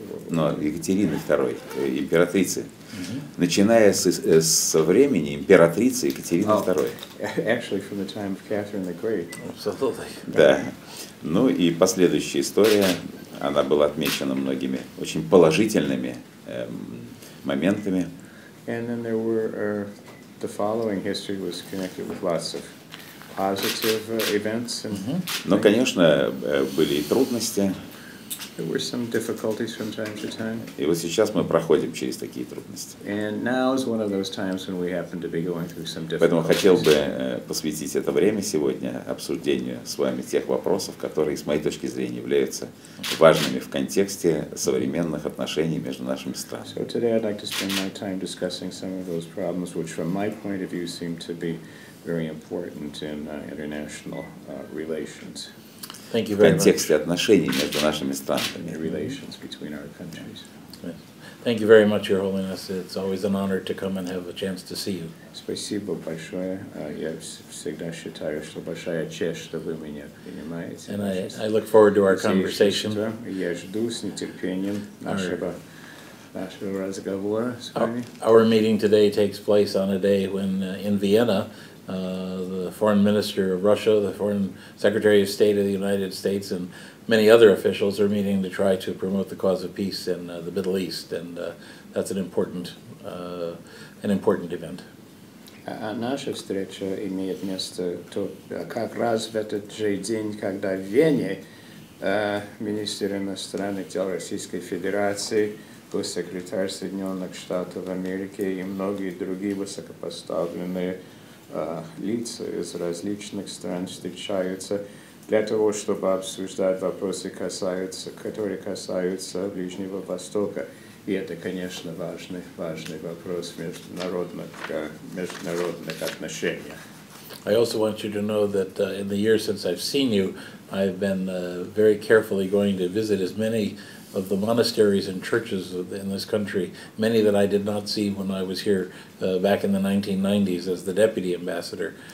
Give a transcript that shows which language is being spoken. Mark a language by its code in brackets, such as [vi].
[ru] Но Екатерины II, императрицы, начиная со времени императрицы Екатерины II. [en] Actually, from the time of Catherine the Great. Absolutely. [ru] Да. Ну и последующая история, она была отмечена многими очень положительными моментами. [en] And then there were the following history was connected with lots of positive events. [ru] Но, конечно, были и трудности. [en] There were some difficulties from time to time. [ru] И вот сейчас мы проходим через такие трудности. [en] And now is one of those times when we happen to be going through some difficulties. [ru] Поэтому хотел бы посвятить это время сегодня обсуждению с вами тех вопросов, которые, с моей точки зрения, являются важными в контексте современных отношений между нашими странами. [en] So today I'd like to spend my time discussing some of those problems, which from my point of view seem to be very important in international relations. Thank you very much. [ru] В контексте отношений между нашими странами. [en] Relations between our countries. Thank you very much, Your Holiness. It's always an honor to come and have a chance to see you. [ru] Спасибо большое. Я всегда считаю, что большая честь, что вы меня принимаете. [en] And I look forward to our conversation. [ru] Я жду с нетерпением нашего разговора с вами. [en] Our meeting today takes place on a day when in Vienna, the foreign minister of Russia, the foreign secretary of state of the United States, and many other officials are meeting to try to promote the cause of peace in the Middle East, and that's an important event. [ru] А наша встреча имеет место как раз в этот же день, когда в Вене министр иностранных дел Российской Федерации, госсекретарь Соединенных Штатов Америки и многие другие высокопоставленные лица из различных стран встречаются для того, чтобы обсуждать вопросы, которые касаются Ближнего Востока. И это, конечно, важный вопрос в международных отношениях. [en] I also want you to know that in the years since I've seen you, I've been very carefully going to visit as many of the monasteries and churches in this country, many that I did not see when I was here back in the 1990s as the deputy ambassador.